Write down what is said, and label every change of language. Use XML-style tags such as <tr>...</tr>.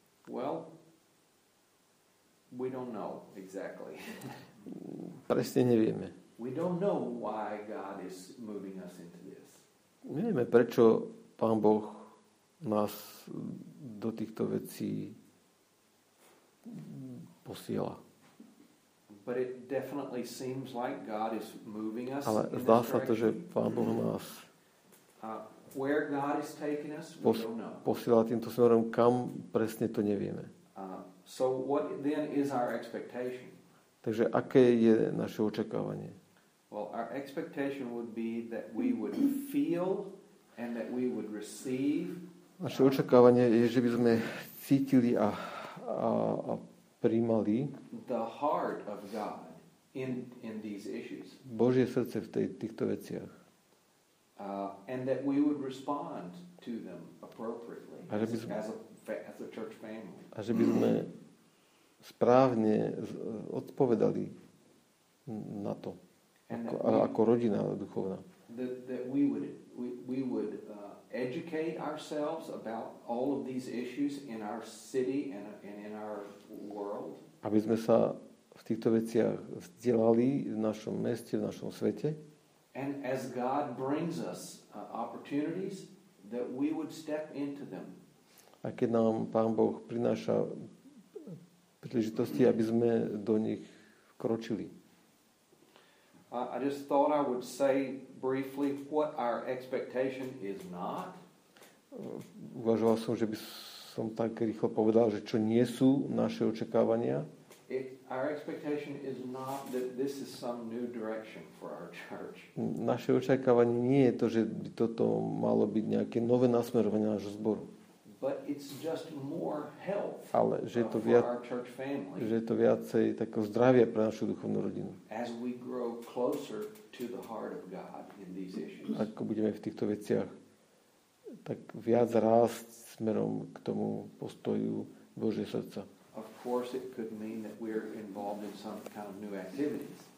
<en>Well, we don't know exactly.</en> <sk>Presne nevieme.</sk> <en>We don't know why God is moving us into this.</en> <sk>Nevieme, prečo Pán Boh nás do týchto vecí posiela.</sk> <en>But it definitely seems like God is moving us.</en> <sk>Ale zdá sa to, že Pán Boh nás</sk> <en>where God is taking us, we don't know.</en> <sk>Posiela týmto smerom, kam presne to nevieme.</sk> <en>So what then is our expectation?</en> <sk>Takže aké je naše očakávanie?</sk> <en>Well, our expectation would be that we would feel and that we would receive.</en> <sk>Naše očakávanie je, že by sme cítili a prijímali</sk> <en>the heart of God in these issues.</en> <sk>Božie srdce v týchto veciach.</sk> <en>And that we would respond to them appropriately as a church family.</en> <sk>A že by sme správne odpovedali na to ako rodina duchovná.</sk> <en>That we would educate ourselves about all of these issues in our city and in our world.</en> <sk>Aby sme sa v týchto veciach vzdelali v našom meste, v našom svete.</sk> <en>And as God brings us opportunities, that we would step into them.</en> <sk>A keď nám Pán Boh prináša príležitosti, aby sme do nich kročili.</sk> <en>I just thought I would say briefly what our expectation is not.</en> <sk>Uvažoval som, že by som tak rýchlo povedal, že čo nie sú naše očakávania.</sk> <en>Our expectation is not that this is some new direction for our church.</en> <sk>Naše očakávanie nie je to, že by toto malo byť nejaké nové nasmerovanie nášho zboru.</sk> <en>But it's just more health.</en> <sk>Ale že je to viac, že je to viacej takého zdravia pre našu duchovnú rodinu.</sk> <en>As we grow closer to the heart of God in these issues.</en> <sk>Ako budeme v týchto veciach tak viac rásť smerom k tomu postoju Božieho srdca.</sk> <en>Of course it could mean that we're involved in some kind of new activities.</en>